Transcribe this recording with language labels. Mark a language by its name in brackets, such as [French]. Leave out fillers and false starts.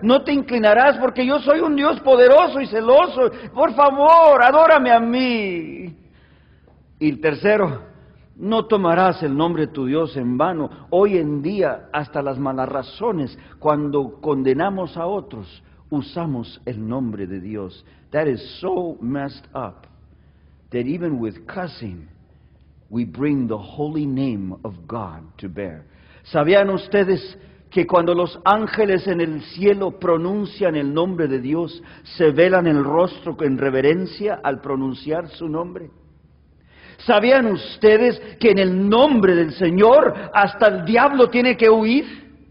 [Spanish] No te inclinarás, porque yo soy un Dios poderoso y celoso. Por favor, adórame a mí. Y el tercero, no tomarás el nombre de tu Dios en vano. Hoy en día, hasta las malas razones, cuando condenamos a otros, usamos el nombre de Dios. [English] That is so messed up, that even with cussing, we bring the holy name of God to bear. [Spanish] ¿Sabían ustedes que cuando los ángeles en el cielo pronuncian el nombre de Dios, se velan el rostro en reverencia al pronunciar su nombre? ¿Sabían ustedes que en el nombre del Señor hasta el diablo tiene que huir?